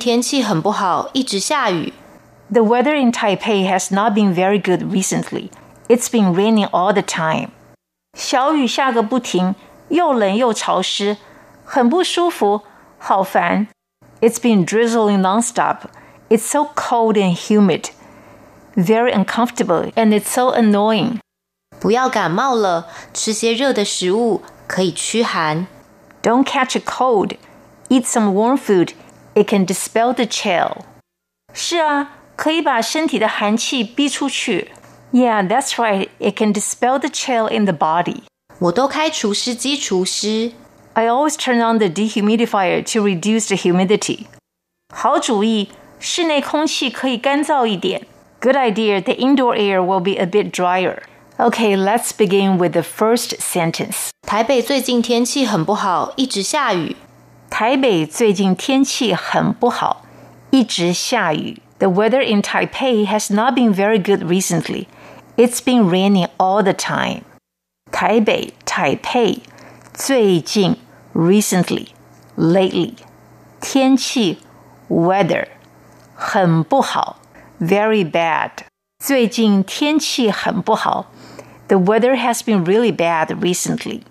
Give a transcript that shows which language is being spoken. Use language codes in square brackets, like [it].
[en] The weather in Taipei has not been very good recently. It's been raining all the time. [zh] 小雨下个不停，又冷又潮湿，很不舒服，好烦。 [en] It's been drizzling nonstop. It's so cold and humid. Very uncomfortable and it's so annoying. [zh] 不要感冒了，吃些热的食物可以驱寒。 [en] Don't catch a cold. Eat some warm food. It can dispel the chill. [zh] 是啊，可以把身体的寒气逼出去。 [en] Yeah, that's right. It can dispel the chill in the body. [zh] 我都开除湿机除湿。 [en] I always turn on the dehumidifier to reduce the humidity. [zh] 好主意，室内空气可以干燥一点。 [en] Good idea. The indoor air will be a bit drier. Okay, let's begin with the first sentence. [zh] 台北最近天气很不好，一直下雨。台北最近天气很不好，一直下雨。 [en] The weather in Taipei has not been very good recently. It's been raining all the time. [zh] 台北 [en] Taipei [zh] 最近 [en] recently lately [zh] 天气 [en] weather [zh] 很不好 [en] very bad [zh] 最近天气很不好 [en] The weather has been really bad recently.